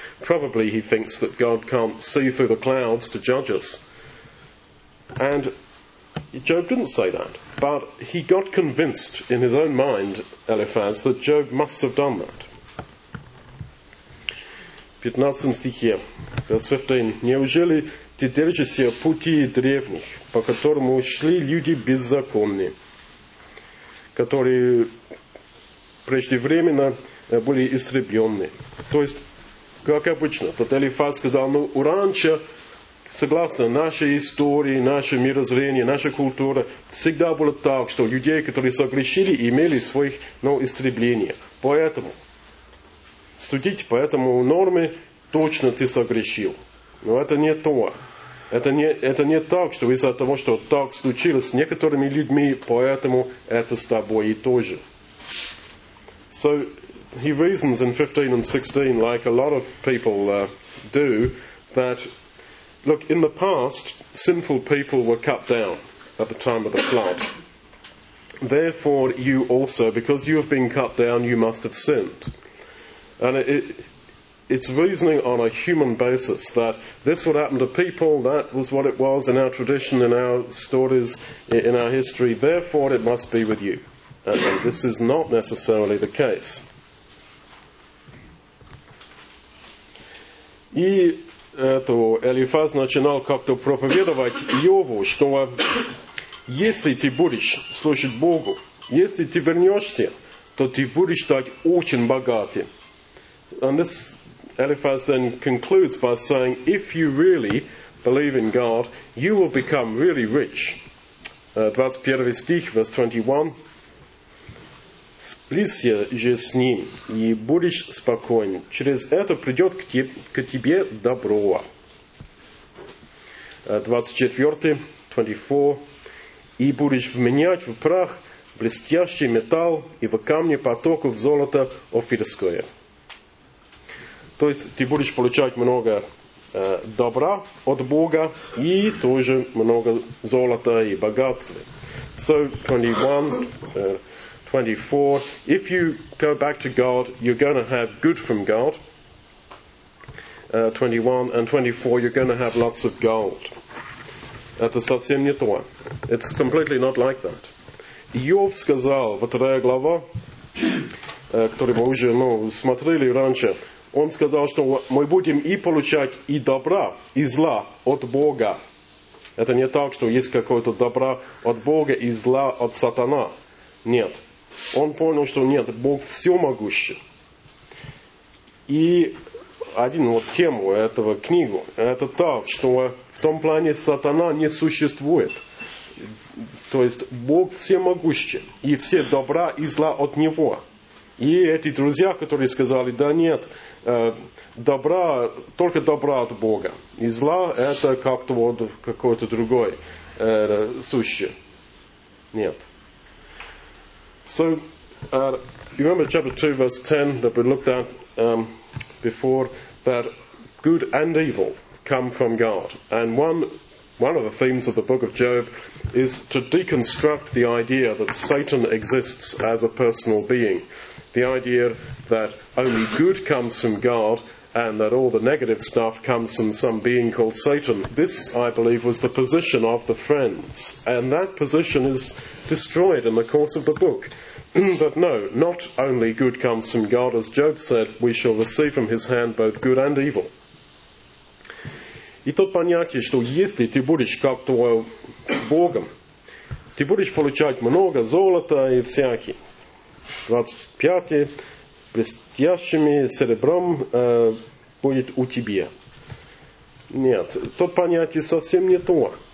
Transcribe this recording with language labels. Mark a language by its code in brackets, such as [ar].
[en] Probably he thinks that God can't see through the clouds to judge us. And Job didn't say that. But he got convinced in his own mind, Eliphaz, that Job must have done that. [ru] 15 стихе, [en] verse 15. [ru] Неужели ты держишься пути древних, по которым ушли люди беззаконные, которые преждевременно были истреблены? То есть, как обычно, тот Элифаз сказал, ну, раньше, согласно нашей истории, наше мирозрение, наша культура, всегда было так, что людей, которые согрешили, имели своих, ну, истребления. Поэтому судить по этому норме точно ты согрешил. Но это не то. Это не так, что из-за того, что так случилось с некоторыми людьми, поэтому это с тобой и то же. [en] So, he reasons in 15 and 16, like a lot of people do, that, look, in the past, sinful people were cut down at the time of the flood. Therefore, you also, because you have been cut down, you must have sinned. And it's reasoning on a human basis that this would happen to people, that was what it was in our tradition, in our stories, in our history, therefore it must be with you. And this is not necessarily the case. [ru] И Элифаз начинал как-то проповедовать Иову, что если ты будешь слушать Богу, если ты вернешься, то ты будешь так очень богатым. [en] And this Eliphaz then concludes by saying, if you really believe in God, you will become really rich. [ru] 21 стих, [en] verse 21. [ru] Сблизься же с ним, и будешь спокоен. Через это придет к тебе добро. 24. И будешь вменять в прах блестящий металл и в камне потоков золота офирское. То есть ты будешь получать много добра от Бога и тоже много золота и богатства. [en] So, 21, 24. If you go back to God, you're going to have good from God. 21 and 24, you're going to have lots of gold. [ru] Это совсем не то. [en] It's completely not like that. [ru] Иов сказал, в 3 главе, который мы уже смотрели раньше, он сказал, что мы будем и получать и добра, и зла от Бога. Это не так, что есть какое-то добро от Бога и зла от сатана. Нет. Он понял, что нет, Бог всемогущий. И один вот тему этого книги, это так, что в том плане сатана не существует. То есть Бог всемогущий, и все добра и зла от Него. И эти друзья, которые сказали, да нет, добра, только добра от Бога. И зла это как-то вот какое-то другое суще. Нет. [en] So, you remember chapter 2, verse 10, that we looked at before, that good and evil come from God. And one of the themes of the book of Job is to deconstruct the idea that Satan exists as a personal being. The idea that only good comes from God and that all the negative stuff comes from some being called Satan. This, I believe, was the position of the friends. And that position is destroyed in the course of the book. But no, not only good comes from God. As Job said, we shall receive from his hand both good and evil. [ru] И тут понятие, что если ты будешь как-то с Богом, ты будешь получать много золота и всякие. 25. Блестящими серебром будет у тебя. Нет, то понятие совсем не то.